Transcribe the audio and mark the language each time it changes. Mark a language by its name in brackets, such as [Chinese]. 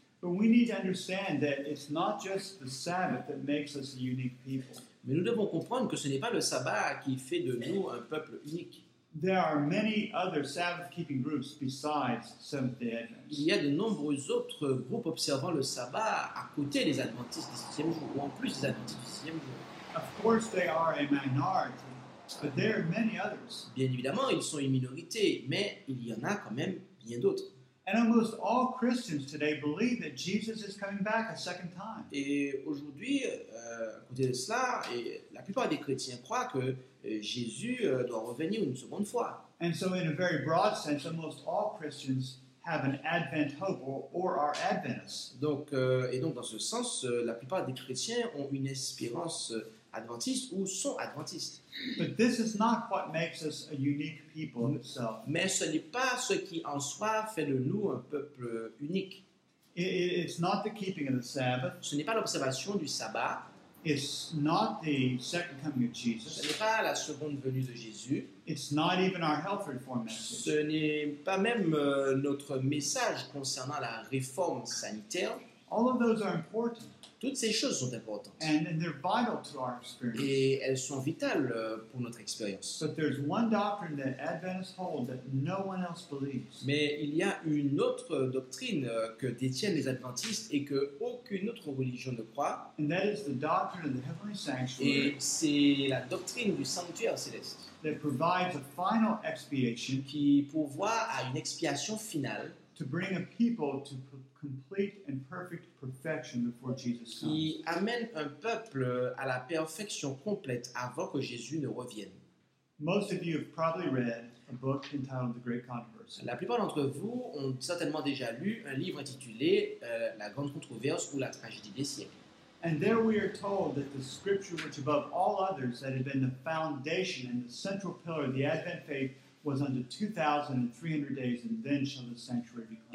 [English] But we need to understand that it's not just the Sabbath that makes us a unique people. [French] Mais nous devons comprendre que ce n'est pas le sabbat qui fait de nous un peuple unique. [English] There are many other Sabbath-keeping groups besides Seventh-day Adventists. [French] Il y a de nombreux autres groupes observant le sabbat à côté des Adventistes du septième jour, ou en plus des Adventistes du septième jour. [English] Of course, they are a minority, but there are many others. [French] Bien évidemment, ils sont une minorité, mais il y en a quand même bien d'autres. [English] And almost all Christians today believe that Jesus is coming back a second time. [French] Et aujourd'hui, à côté de cela, et la plupart des chrétiens croient que Jésus doit revenir une seconde fois. [English] And so in a very broad sense, almost all Christians have an Advent hope or are Adventists. [French] Donc, et donc dans ce sens, la plupart des chrétiens ont une espérance adventiste ou sont adventistes. [English] But this is not what makes us a unique people in itself. [French] Mais ce n'est pas ce qui en soi fait de nous un peuple unique. [English] It's not the keeping of the Sabbath. [French] Ce n'est pas l'observation du sabbat. [English] It's not the second coming of Jesus. [French] Ce n'est pas la seconde venue de Jésus. [English] It's not even our health reform message. [French] Ce n'est pas même notre message concernant la réforme sanitaire. [English] All of those are important. [French] Toutes ces choses sont importantes. [English] And they're vital to our experience. [French] Et elles sont vitales pour notre expérience. [English] But there's one doctrine that Adventists hold that no one else believes. [French] Mais il y a une autre doctrine que détiennent les Adventistes et que aucune autre religion ne croit. [English] And that is the doctrine of the heavenly sanctuary. [French] Et c'est la doctrine du sanctuaire céleste. [English] That provides a final expiation. [French] Qui pourvoit à une expiation finale. [English] To bring a people to complete and perfect perfection before Jesus comes. [French] Qui amène un peuple à la perfection complète avant que Jésus ne revienne. [English] Most of you have probably read a book entitled The Great Controversy. [French] La plupart d'entre vous ont certainement déjà lu un livre intitulé La Grande Controverse ou La Tragédie des Siècles. [English] And there we are told that the scripture which above all others that had been the foundation and the central pillar of the Advent faith was under 2,300 days, and then shall the sanctuary be cleansed.